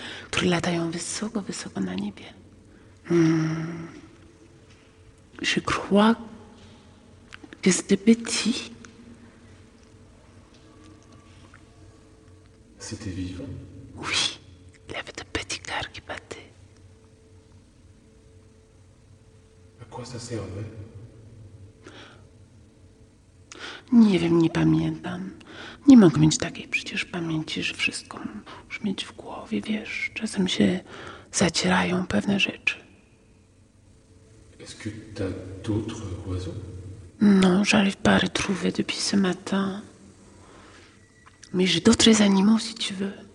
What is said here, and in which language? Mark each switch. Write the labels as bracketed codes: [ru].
[pl] Który latają wysoko, wysoko na niebie. [fr] Je crois que c'était petit. C'était vivant. Oui, il avait de petits cœurs qui battaient. À quoi ça servait? [pl] Nie wiem, nie pamiętam. Nie mogę mieć takiej przecież pamięci, że wszystko musisz mieć w głowie, wiesz. Czasem się zacierają pewne rzeczy. [fr] Est-ce que t'as d'autres oiseaux? Non, j'arrive pas à retrouver depuis ce matin. Mais j'ai d'autres animaux, si tu veux.